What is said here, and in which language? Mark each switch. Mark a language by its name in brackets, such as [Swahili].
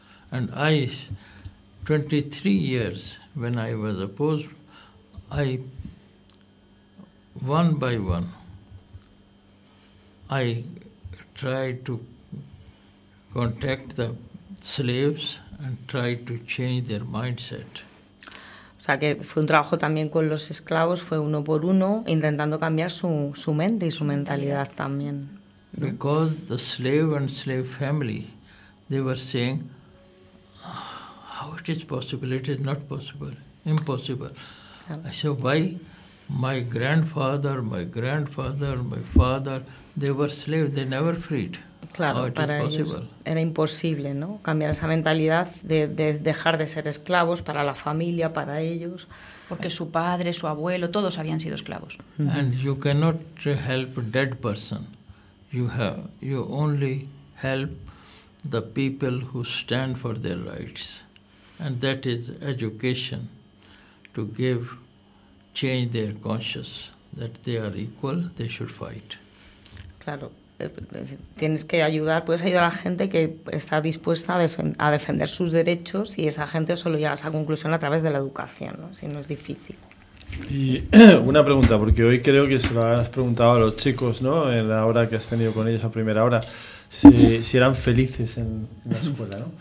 [English] And I, 23 years when I was opposed, I, one by one, I tried to contact the slaves and try to change their mindset. [Spanish] O sea, que fue un trabajo también con los esclavos, fue uno por uno, intentando cambiar su mente y su mentalidad también. [English] Because the slave and slave family, they were saying, how it is possible, it is not possible, impossible. I said, why? My grandfather, my father, they were slaves, they never freed. [Spanish] Claro, [English] how it [Spanish] para [English] is [Spanish] ellos [English] possible. [Spanish] Era imposible, ¿no? Cambiar esa mentalidad de dejar de ser esclavos para la familia, para ellos. Porque su padre, su abuelo, todos habían sido esclavos. [English] Mm-hmm. And you cannot help dead person. You only help the people who stand for their rights. And that is education, to give, change their conscious, that they are equal, they should fight. [Spanish] Claro, tienes que ayudar, puedes ayudar a la gente que está dispuesta a defender sus derechos, y esa gente solo llega a esa conclusión a través de la educación, ¿no? Si no es difícil. Y una pregunta, porque hoy creo que se lo has preguntado a los chicos, ¿no? En la hora que has tenido con ellos a primera hora, si eran felices en la escuela, ¿no?